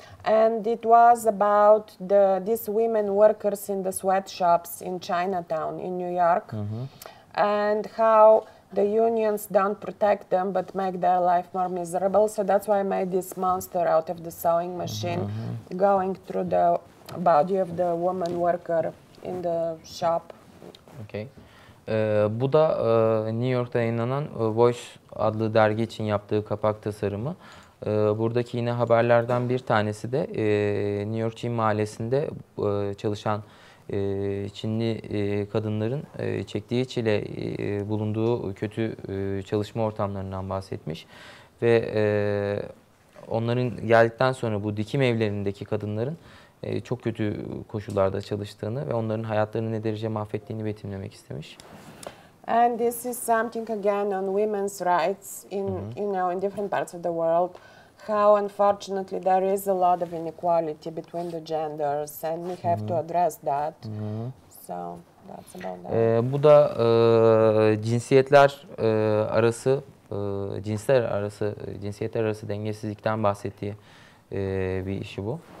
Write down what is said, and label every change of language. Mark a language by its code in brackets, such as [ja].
[en] And it was about these women workers in the sweatshops in Chinatown in New York. And how the unions don't protect them, but make their life more miserable. So that's why I made this monster out of the sewing machine going through the body of the woman worker in the shop. Okay. [tr] Bu da New York'ta yayınlanan Voice adlı dergi için yaptığı kapak tasarımı. Buradaki yine haberlerden bir tanesi de New York Çin Mahallesi'nde çalışan Çinli kadınların çektiği çile bulunduğu kötü çalışma ortamlarından bahsetmiş. Ve onların geldikten sonra bu dikim evlerindeki kadınların çok kötü koşullarda çalıştığını ve onların hayatlarını ne derece mahvettiğini betimlemek istemiş. [en] And this is something again on women's rights in, you know, in different parts of the world. how unfortunately there is a lot of inequality between the genders and we have to address that. Hmm. So that's about that. [tr] Bu da cinsiyetler arası cinsler arası cinsiyetler arası dengesizlikten bahsettiği bir işi bu.